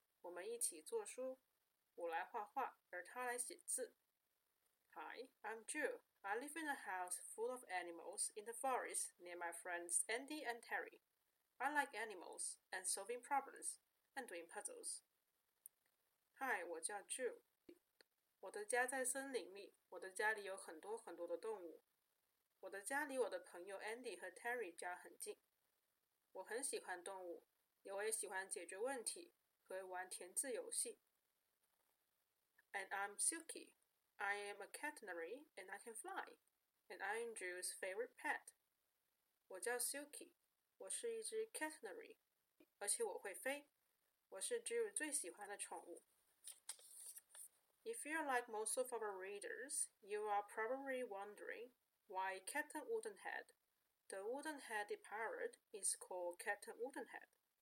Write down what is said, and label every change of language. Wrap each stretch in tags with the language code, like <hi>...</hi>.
<zh>我们一起做书。我来画画，而他来写字。</zh> <en>Hi, I'm Jill. I live in a house full of animals in the forest near my friends Andy and Terry. I like animals and solving problems and doing puzzles.</en> <zh>Hi, 我叫 Jill. 我的家在森林里，我的家里有很多很多的动物。我的家离我的朋友 Andy 和 Terry 家很近。我很喜欢动物，我也喜欢解决问题和玩填字游戏。</zh> <en>And I'm Silky. I am a catenary and I can fly. And I'm Drew's favorite pet.</en> <zh>我叫 Silky. 我是一只 catenary, 而且我会飞。我是 Drew 最喜欢的宠物。</zh> <en>If you're like most of our readers, you are probably wondering,Why Captain Woodenhead, the wooden-headed pirate, is called Captain Woodenhead?</en>